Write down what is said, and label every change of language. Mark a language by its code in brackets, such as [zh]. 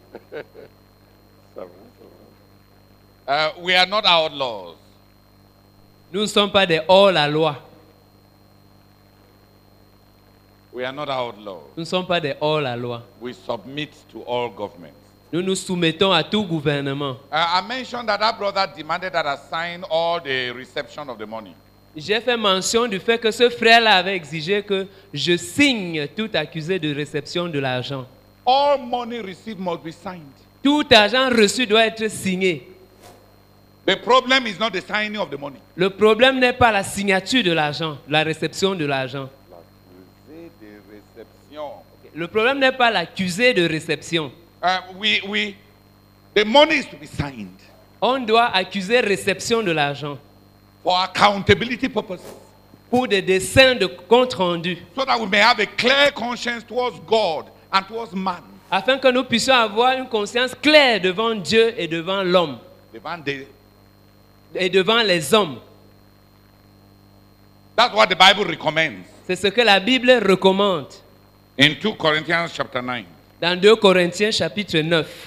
[fr] Ça va, ça va. [en] We are not outlaws. [fr] Nous ne sommes pas des hors la loi. [en] We are not outlaws. [fr] Nous ne sommes pas des hors la loi. [en] We submit to all governments. [fr] Nous nous soumettons à tout gouvernement. [en] I mentioned that our brother demanded that I sign all the reception of the money. [fr] J'ai fait mention du fait que ce frère-là avait exigé que je signe tout accusé de réception de l'argent. [en] All money received must be signed. [fr] Tout argent reçu doit être signé. [en] The problem is not the signing of the money. [fr] Le problème n'est pas la signature de l'argent, la réception de l'argent. L'accusé de réception. Le problème n'est pas l'accusé de réception. [en] We the money is to be signed. [fr] On doit accuser réception de l'argent. [en] For accountability purposes. [fr] Pour des desseins de compte rendu. [en] So that we may have a clear conscience towards God and towards man. [fr] Afin que nous puissions avoir une conscience claire devant Dieu et devant l'homme. Et devant les hommes. [en] That's what the Bible recommends. [fr] C'est ce que la Bible recommande. [en] In 2 Corinthians chapter 9. [fr] Dans 2 Corinthiens chapitre 9.